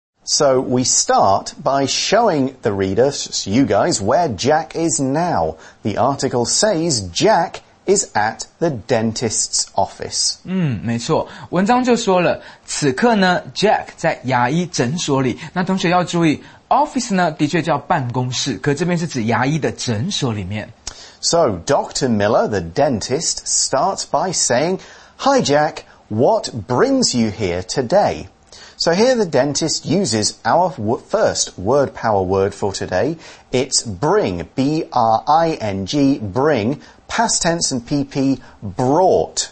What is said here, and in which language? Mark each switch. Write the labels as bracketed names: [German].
[English] So we start by showing the reader, you guys, where Jack is now. The article says Jack is at the dentist's office. [Chinese] 没错。文章就说了，此刻呢 ,Jack 在牙医诊所里。那同学要注意 ,office 呢的确叫办公室，可这边是指牙医的诊所里面。 [English] So, Dr. Miller, the dentist, starts by saying, Hi Jack, what brings you here today? So here the dentist uses our first word power word for today. It's bring, B-R-I-N-G, bring, past tense and PP, brought.